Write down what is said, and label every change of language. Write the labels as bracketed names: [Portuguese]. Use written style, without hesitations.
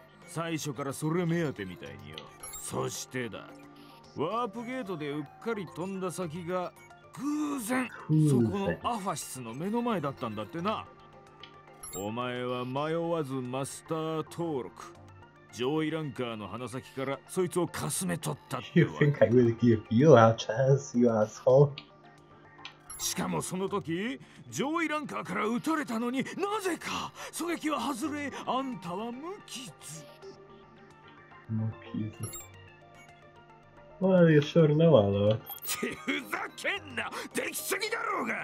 [Japanese] 最初からそれ目当てみたいによ。そしてだ、ワープゲートでうっかり飛んだ先が偶然そこのアファシスの目の前だったんだってな。お前は迷わずマスター登録。上位ランカーの鼻先からそいつをかすめ取ったってわ。 [English] You think I will give you a chance, you asshole? [Japanese] しかもその時、上位ランカーから撃たれたのになぜか狙撃は外れ、あんたは無傷。 [English] 無傷。Well, you sure know a lot. [Japanese] ふざけんな、出来すぎだろうが。